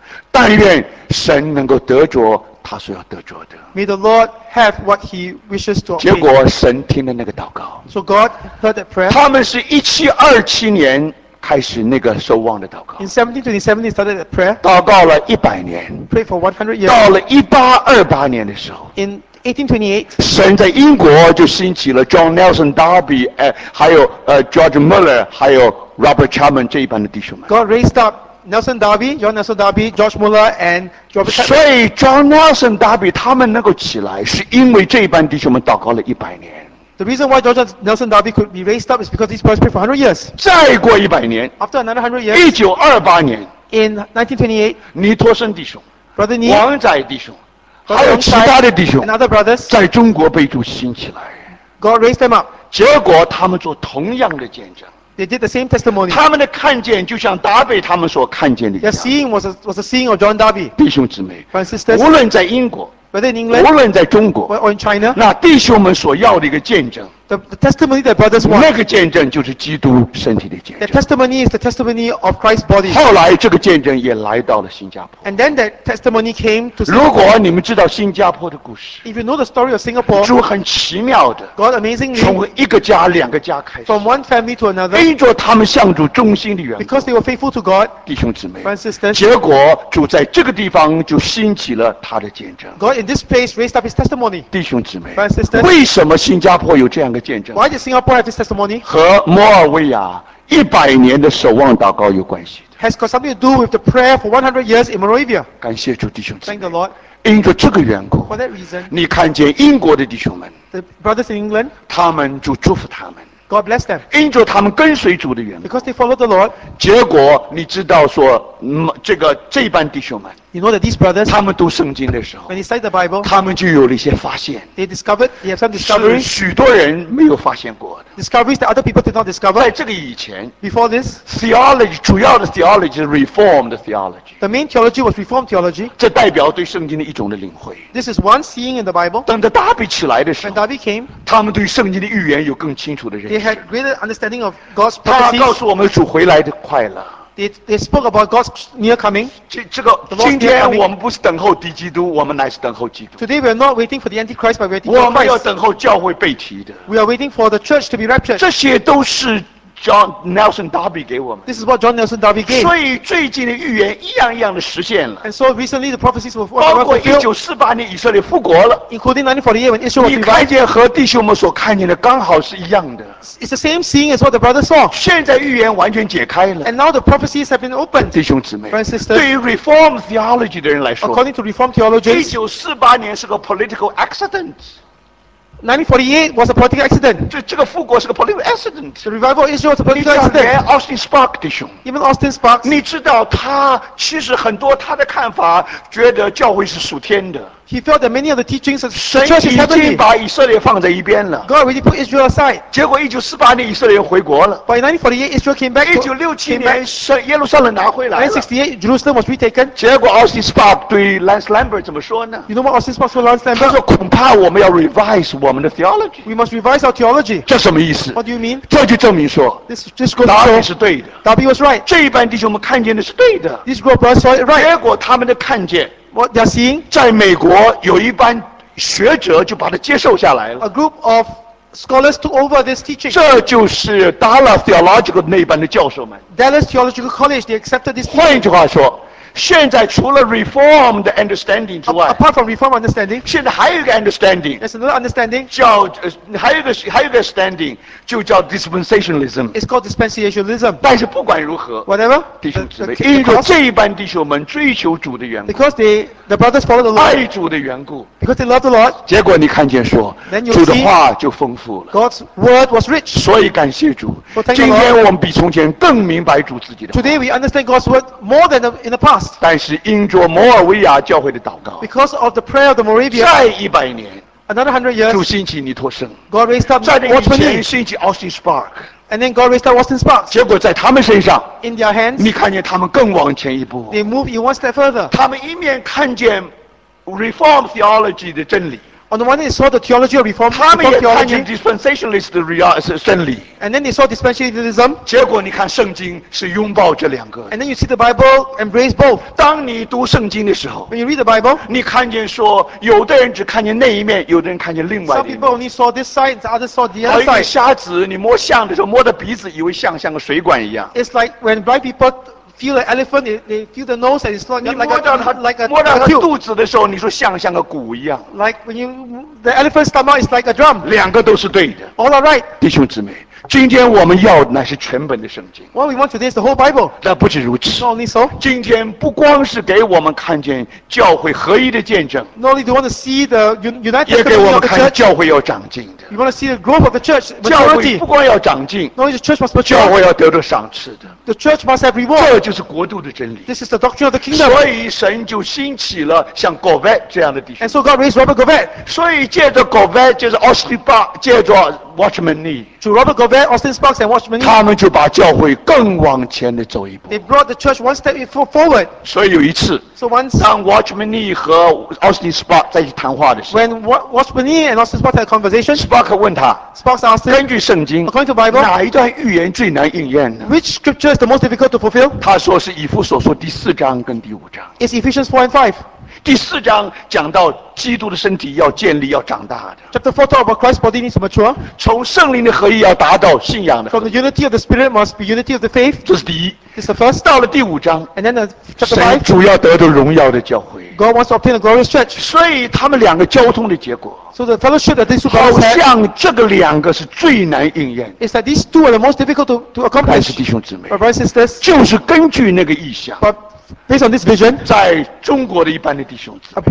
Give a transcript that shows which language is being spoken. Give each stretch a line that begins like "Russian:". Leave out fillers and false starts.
Chinese: 但愿神能够得着他所要得着的。
English: May the Lord have what he wishes to.
Chinese: 结果神听了那个祷告。
English: So God heard that prayer.
Chinese: 他们是1727年开始那个守望的祷告。
English: In 1727, they started the prayer.
Chinese: 祷告了100年。
English: Pray for 100 years.
Chinese: 到了1828年的时候。
English: In 1828.
Chinese: 神在英国就兴起了 John Nelson Darby， 还有George Muller， 还有 Robert Chapman 这一班的弟兄们。
English: God raised up Nelson Darby, John Nelson Darby, George Muller, and Robert Chapman.
Chinese: 所以 John Nelson Darby 他们能够起来，是因为这一班弟兄们祷告了一百年。
English: The reason why George Nelson Darby could be raised up is because these boys prayed for 100 years.
Chinese: 再过100年
English: After another 100 years.
Chinese: 1928年
English: In 1928.
Chinese: 尼托生弟兄
English: Brother Ni.
Chinese: 王宰弟兄还有其他的弟兄
English: And other brothers.
Chinese: 在中国被主兴起来
English: God raised them up.
Chinese: 结果他们做同样的见证
English: They did the same testimony.
Chinese: 他们的看见就像达比他们所看见的一样
English: Their seeing was a seeing of John Darby.
Chinese: 弟兄姊妹
English: Francisters.
Chinese: 无论在英国
English: Whether in England,
Chinese: 无论在中国
English: or in China,
Chinese: 那弟兄们所要的一个见证
English: the testimony that brothers want,
Chinese: 那个见证就是基督身体的见证
English: The testimony is the testimony of Christ's body
Chinese: 后来这个见证也来到了新加坡
English: And then that testimony came to Singapore
Chinese: 如果你们知道新加坡的故事
English: If you know the story of Singapore
Chinese: 主很奇妙的
English: God amazingly
Chinese: 从一个家两个家开始
English: From one family to another
Chinese: 因着他们向主忠心的缘故
English: Because they were faithful to God
Chinese: 弟兄姊妹
English: Francisters
Chinese: 结果主在这个地方就兴起了他的见证
English: God in this place raised up his testimony
Chinese: 弟兄姊妹
English: Francisters
Chinese: 为什么新加坡有这样的见证
English: Why did Singapore have this testimony
Chinese: 和摩尔维亚100年的守望祷告有关系
English: Has got something to do with the prayer for 100 years in Moravia
Chinese: 感谢主弟兄姊妹
English: Thank the Lord
Chinese: 因着这个缘故
English: For that reason
Chinese: 你看见英国的弟兄们
English: The brothers in England
Chinese: 他们就祝福他们
English: God bless them
Chinese: 因着他们跟随主的缘故
English: Because they follow the Lord
Chinese: 结果你知道说、这班弟兄们
English: You know that these brothers,
Chinese: 他们读圣经的时候
English: when they study the Bible,
Chinese: 他们就有了一些发现
English: they discovered, they have some discoveries,
Chinese: 是许多人没有发现过的
English: discoveries that other people did not discover,
Chinese: 在这个以前
English: before this, theology,
Chinese: 主要的
English: theology is reformed theology, the main theology was reformed theology,
Chinese: 这代表对圣经的一种的领会
English: this is one seeing in the Bible,
Chinese: 等着达比起来的时候
English: when Darby came,
Chinese: 他们对圣经的预言有更清楚的认识
English: they had greater understanding of God's prophecy,
Chinese: 他告诉我们主回来的快乐
English: They spoke about God's near coming.
Chinese: 今天我们不是等候敌基督，我们乃是等候基督。
English: Today we are not waiting for the Antichrist, but waiting for Christ.
Chinese: 我们要等候教会被提的。
English: We are waiting for the church to be raptured.
Chinese: 这些都是 John Nelson Darby 给我们。
English: This is what John Nelson Darby gave.
Chinese: 所以最近的预言一样一样的实现了。
English: And so recently the prophecies were fulfilled.
Chinese: 包括1948年以色列复国了。
English: Including 1948 when Israel was
Chinese: revived. 你看见和弟兄们所看见的刚好是一样的。
English: It's the same thing as what the brothers saw.
Chinese: 现在预言完全解开了。
English: And now the prophecies have been opened.
Chinese: 弟兄姊妹。
English: Friends, sisters.
Chinese: 对于 Reform theology 的人来说。
English: According to Reform theologians.
Chinese: 1948年是个
English: political accident. 1948 was a political accident.
Chinese: 这个复国是个
English: political accident. The revival of Israel was a political accident.
Chinese: 你像连 Austin Spark 弟兄
English: ，Even Austin Sparks.
Chinese: 你知道他其实很多他的看法，觉得教会是属天的。
English: He felt that many of the teachings of the church is heavenly.
Chinese: 神已经把以色列放在一边了。
English: God already put Israel aside.
Chinese: 结果1948年以色列回国了。
English: By 1948 Israel came back.
Chinese: 1967年耶路撒冷拿回来了。
English: 1968 Jerusalem was retaken.
Chinese: 结果 Austin Spark 对 Lance Lambert 怎么说呢
English: ？You know what Austin Spark said Lance Lambert?
Chinese: 他说恐怕我们要
English: revise
Chinese: 我们的 theology.
English: We must revise our theology.
Chinese: 这什么意思
English: ？What do you mean?
Chinese: 这就证明说
English: ，This goes to show.
Chinese: 答案是对的。
English: Darby was right.
Chinese: 这一班弟兄们看见的是对的。
English: This group was right.
Chinese: 结果他们的看见。
English: What they are seeing?
Chinese: 在美国有一班学者就把它接受下来了。
English: A group of scholars took over this teaching.
Chinese: 这就是 Dallas Theological 那班的教授们。
English: Dallas Theological College, they accepted this teaching.
Chinese: 换一句话说，现在除了
English: Reformed understanding
Chinese: 之外
English: ，Apart from Reformed understanding,
Chinese: 现在还有一个
English: understanding. There's another understanding.
Chinese: 叫还有一个
English: understanding
Chinese: 就叫 dispensationalism.
English: It's called dispensationalism.
Chinese: 但是不管如何
English: ，Whatever
Chinese: 弟兄姊妹，因为这一班弟兄们追求主的缘故
English: ，Because the brothers follow the Lord.
Chinese: 爱主的缘故
English: ，Because they love the Lord.
Chinese: 结果你看见说，主的话就丰富了。
English: God's word was rich.
Chinese: 所以感谢主。今天我们比从前更明白主自己的话。
English: Today we understand God's word more than in the past.
Chinese: 但是因着摩尔维亚教会的祷告
English: ，Because of the prayer of the Moravia，
Chinese: 再一百年
English: ，Another hundred years，
Chinese: 主兴起你托生
English: ，God raised up，
Chinese: 再以前兴起 Austin Spark，
English: and then God raised up Austin Spark，
Chinese: 结果在他们身上
English: ，In their hands，
Chinese: 你看见他们更往前一步
English: ，They move one step further，
Chinese: 他们一面看见 Reform theology 的真理。
English: On the one hand, they saw the theology of reform.
Chinese: 他们也看见 dispensationalist 的 真理。
English: And then they saw dispensationalism.
Chinese: 结果你看圣经是拥抱这两个。
English: And then you see the Bible embrace both.
Chinese: 当你读圣经的时候
English: ，When you read the Bible,
Chinese: 你看见说有的人只看见那一面，有的人看见另外一面。
English: Some people only saw this side, others saw the other side.
Chinese: 而一个瞎子，你摸象的时候摸着鼻子，以为象像个水管一样。
English: It's like when blind people feel an elephant, they feel the nose and it's not like a like a tube.
Chinese: 摸到他肚子的时候，你说像个鼓一样。
English: Like when you the elephant's stomach is like a drum.
Chinese: 两个都是对的。
English: All are right.
Chinese: 弟兄姊妹，今天我们要的乃是全本的圣经。
English: What we want today is the whole Bible.
Chinese: 那不止如此。
English: Not only so.
Chinese: 今天不光是给我们看见教会合一的见证。
English: Not only do you want to see the united.
Chinese: 也给我们看见教会要长进的。
English: You want to see the growth of the church.
Chinese: 教会不光要长进。
English: Not only the church must mature.
Chinese: 教会要得到赏赐的。
English: The church must have reward.
Chinese: 这是国度的真理。
English: This is the doctrine of the kingdom.
Chinese: 所以神就兴起了像 Govet 这样的弟兄。
English: And so God raised Robert Govet.
Chinese: 所以借着 Govet， 借着 Austin Spark， 借着 Watchman Nee。
English: To Robert Govet, Austin Sparks, and Watchman Nee。
Chinese: 他们就把教会更往前的走一步。
English: They brought the church one step forward.
Chinese: 所以有一次
English: ，So once，
Chinese: 当 Watchman Nee 和 Austin Spark 在一起谈话的时候
English: ，When Watchman Nee and Austin Sparks had a conversation，
Chinese: Spark 问他
English: ，Sparks asked，
Chinese: 根据圣经
English: ，According to Bible，
Chinese: 哪一段预言最难应验呢
English: ？Which scripture is the most difficult to fulfill？
Chinese: 他说是以弗所书第四章跟第五章。
English: It's Ephesians 4 and 5。
Chinese: 第四章讲到基督的身体要建立要长大的。
English: Chapter 4 talks about Christ's body needs to mature.
Chinese: 从圣灵的合一要达到信仰的。
English: From the unity of the spirit must be unity of the faith.
Chinese: 这是第一。
English: It's the first.
Chinese: 到了第五章。
English: And then the chapter 5.
Chinese: 神主要得到荣耀的教会。
English: God wants to obtain a glorious church.
Chinese: 所以他们两个交通的结果。
English: So the fellowship that these two brothers had.
Chinese: 好像这个两个是最难应验。
English: It's that these two are the most difficult to accomplish.
Chinese: 但是弟兄姊妹。
English: But brothers and sisters.
Chinese: 就是根据那个意象。
English: But Based on this vision,
Chinese: 在中国的一般的弟兄子